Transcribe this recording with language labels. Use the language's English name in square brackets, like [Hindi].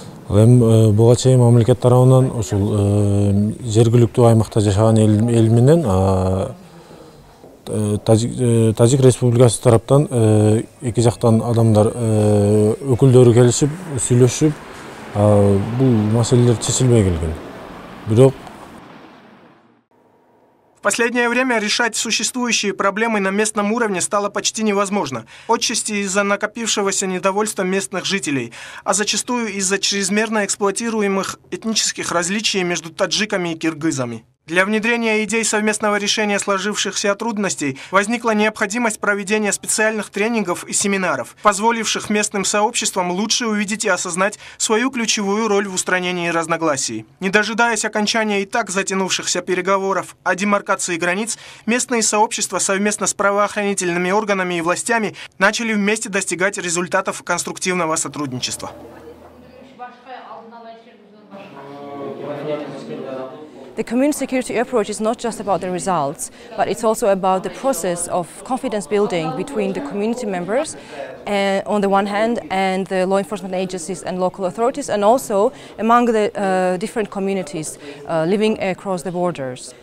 [Kyrgyz] Эми Бугачен мамлекет тарабынан ушул жергиликтүү аймакта жашаган эл менен Тажик Республикасы тараптан эки жактан адамдар өкүлдөрү келишип сүйлөшүп бул маселелер чечилбей келген. Бирок [Russian] в последнее время решать существующие проблемы на местном уровне стало почти невозможно. Отчасти из-за накопившегося недовольства местных жителей, а зачастую из-за чрезмерно эксплуатируемых этнических различий между таджиками и киргизами. Для внедрения идей совместного решения сложившихся трудностей возникла необходимость проведения специальных тренингов и семинаров, позволивших местным сообществам лучше увидеть и осознать свою ключевую роль в устранении разногласий. Не дожидаясь окончания и так затянувшихся переговоров о демаркации границ, местные сообщества совместно с правоохранительными органами и властями начали вместе достигать результатов конструктивного сотрудничества. [English] The community security approach is not just about the results, but it's also about the process of confidence building between the community members and, on the one hand, and the law enforcement agencies and local authorities, and also among the different communities living across the borders.